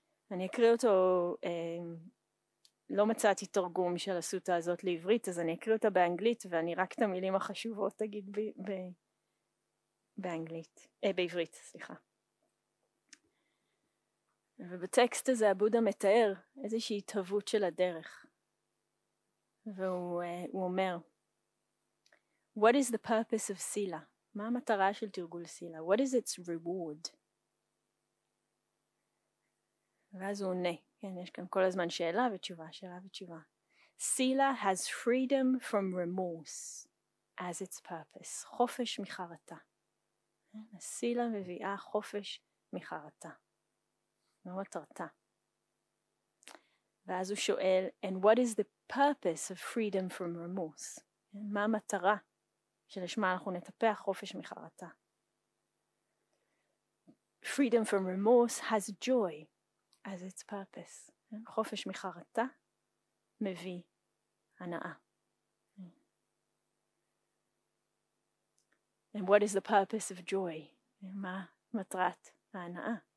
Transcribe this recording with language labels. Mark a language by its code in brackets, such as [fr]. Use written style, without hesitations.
[he] אני אקריא אותו, לא מצאתי תרגום של הסוטה הזאת לעברית, אז אני אקריא אותה באנגלית, ואני רק את המילים החשובות אגיד בעברית, סליחה. ובטקסט הזה הבודה מתאר איזושהי התהוות של הדרך. והוא אומר, [en] What is the purpose of sila? [he] מה המטרה של תרגול sila? [en] What is its reward? [he] ואז הוא עונה. כן, יש כאן כל הזמן שאלה ותשובה, שאלה ותשובה. [en] Sila has freedom from remorse as its purpose. [he] חופש מחרתה. sila מביאה חופש מחרתה. מה מטרתה? ואז הוא שואל, [en] And what is the purpose of freedom from remorse? [he] מה המטרה? שלשמה אנחנו נטפח חופש מחרתה. [en] Freedom from remorse has joy אז it's purpose. Yeah. [he] חופש מחרטה מביא הנאה. Yeah. [en] And what is the purpose of joy? Yeah. [he] מה מטרת ההנאה?